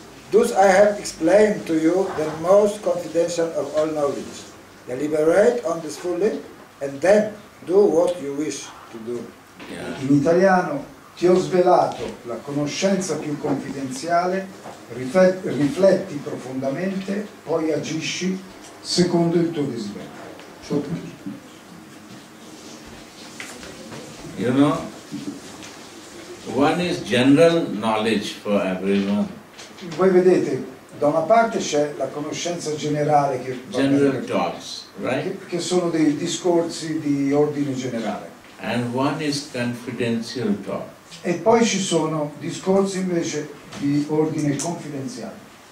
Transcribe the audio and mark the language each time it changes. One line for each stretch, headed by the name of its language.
English: Thus I have explained to you the most confidential of all knowledge. Deliberate on this fully and then do what you wish to do. Yeah.
Italian: In italiano, ti ho svelato la conoscenza più confidenziale, rifletti profondamente, poi agisci secondo il tuo desiderio.
English: You know, one is general knowledge for everyone.
Italian: Voi vedete, da una parte c'è la conoscenza generale che
English: general talks, right?
Italian: Che sono dei discorsi di ordine generale.
English: And one is confidential talk.
Italian: E poi ci sono discorsi invece di ordine confidenziale.